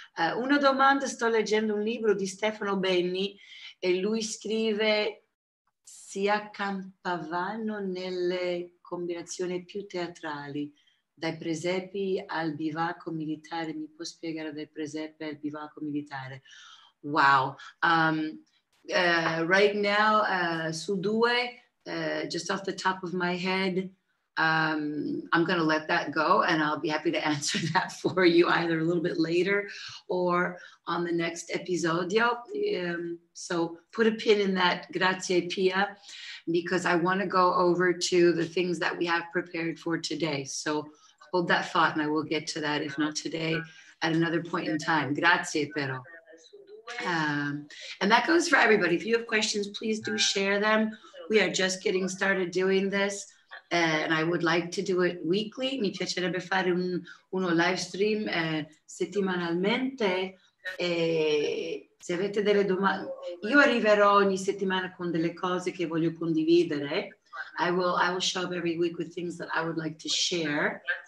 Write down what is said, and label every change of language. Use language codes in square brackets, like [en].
[it] Una domanda, sto leggendo un libro di Stefano Benni e lui scrive... Si accampavano nelle combinazioni più teatrali, dai presepi al bivacco militare. Mi può spiegare dai presepi al bivacco militare? [en] Wow. Right now, [it] su due, [en] just off the top of my head, I'm going to let that go, and I'll be happy to answer that for you either a little bit later or on the next episodio. So put a pin in that, grazie Pia, because I want to go over to the things that we have prepared for today. So hold that thought, and I will get to that, if not today, at another point in time. [it] Grazie però. [en] And that goes for everybody. If you have questions, please do share them. We are just getting started doing this. And I would like to do it weekly. [it] Mi piacerebbe fare uno live stream settimanalmente. E se avete delle domande, io arriverò ogni settimana con delle cose che voglio condividere. [en] I will show up every week with things that I would like to share.